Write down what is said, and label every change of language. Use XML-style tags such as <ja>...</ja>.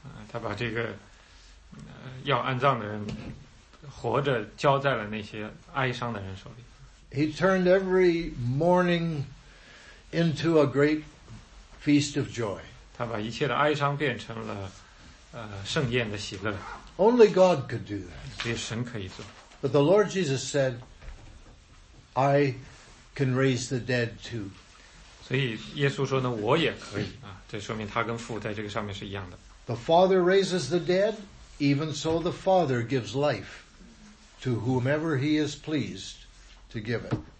<zh>他把这个要安葬的人活着交在了那些哀伤的人手里。</zh> <en>He turned every mourning into a great feast of joy.</en> <zh>他把一切的哀伤变成了盛宴的喜乐。</zh> <en>Only God could do that.</en> <zh>只有神可以做。</zh> <en>But the Lord Jesus said, I can raise the dead too.</en> <zh>所以耶稣说呢，我也可以啊，这说明他跟父在这个上面是一样的。</zh> <en>The Father raises the dead, even so the Father gives life to whomever he is pleased to give it.</en>